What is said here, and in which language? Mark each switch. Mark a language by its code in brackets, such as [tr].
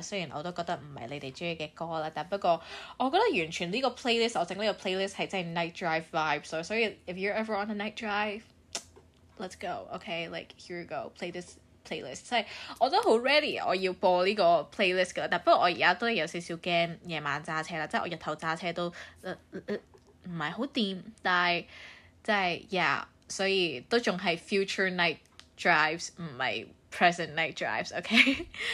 [yue] 雖然我都覺得唔係你哋中意嘅歌啦，但不過我覺得完全呢個 playlist， 我整呢個 playlist 係真係 night drive vibe， 所以 [en] if you're ever on a night drive， let's go， okay， like here we go， play this playlist。 [yue] 即係我都好 ready， 我要播呢個 playlist 噶啦。但不過我而家都有少少驚夜晚揸車啦，即係我日頭揸車都唔係好掂，但係即係 yeah。所以都仲係 [en] future night drives， [yue] 唔係 [en] present night drives， [yue] OK？